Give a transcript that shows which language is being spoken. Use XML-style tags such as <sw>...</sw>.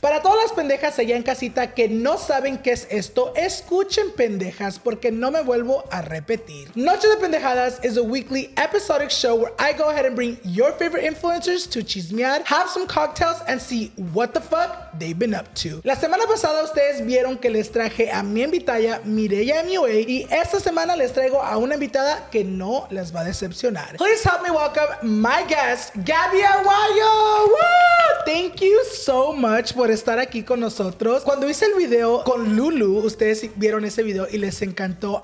<es>Para todas las pendejas allá en casita que no saben qué es esto, escuchen pendejas porque no me vuelvo a repetir.</es> <en>Noche de Pendejadas is a weekly episodic show where I go ahead and bring your favorite influencers to chismear, have some cocktails, and see what the fuck they've been up to.</en> <es>La semana pasada ustedes vieron que les traje a mi invitada Mireya MUA, y esta semana les traigo a una invitada que no les va a decepcionar.</es> <en>Please help me welcome my guest, Gabbi Aguayo. Woo! Thank you so much</en> <es>por estar aquí con nosotros. Cuando hice el video con Lulu, ustedes vieron ese video y les encantó.</es>